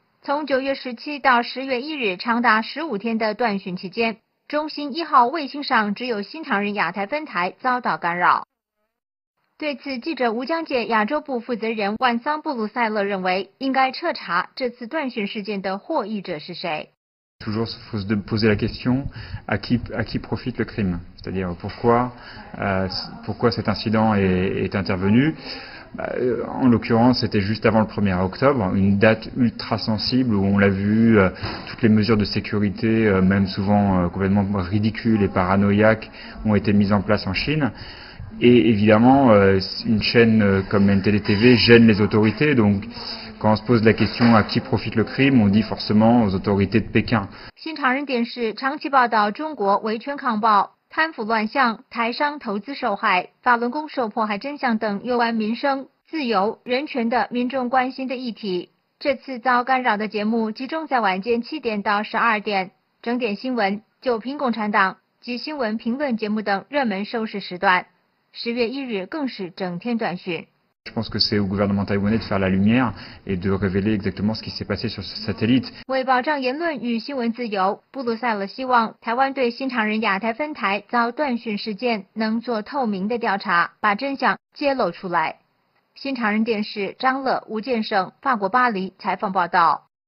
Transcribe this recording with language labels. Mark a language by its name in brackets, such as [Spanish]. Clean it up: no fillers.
[Chinese] 从9月17到10月1日长达15天的断讯期间，中兴一号卫星上只有新唐人亚太分台遭到干扰。对此，记者吴江界亚洲部负责人万桑布鲁塞勒认为，应该彻查这次断讯事件的获益者是谁。 [French] Toujours faut se poser la question à qui profite le crime, c'est-à-dire pourquoi cet incident est intervenu. En l'occurrence, c'était juste avant le 1er octobre, une date ultra sensible où on l'a vu, toutes les mesures de sécurité, même souvent complètement ridicules et paranoïaques, ont été mises en place en Chine. Et évidemment, une chaîne comme NTDTV gêne les autorités. Donc, quand on se pose la question à qui profite le crime, on dit forcément aux autorités de Pékin. [Chinese] 新唐人电视长期报道中国维权抗暴。贪腐乱象、台商投资受害、法轮功受迫害真相等有关民生、自由、人权的民众关心的议题，这次遭干扰的节目集中在晚间7点到12点，整点新闻、九评共产党及新闻评论节目等热门收视时段，10月1日更是整天短讯。 [French] Je pense que c'est au gouvernement taïwanais de faire la lumière et de révéler exactement ce qui s'est passé sur ce satellite. [Chinese] 为保障言论与新闻自由，布鲁塞勒希望台湾对新唐人亚太分台遭断讯事件能做透明的调查，把真相揭露出来。新唐人电视张乐、吴建胜，法国巴黎采访报道。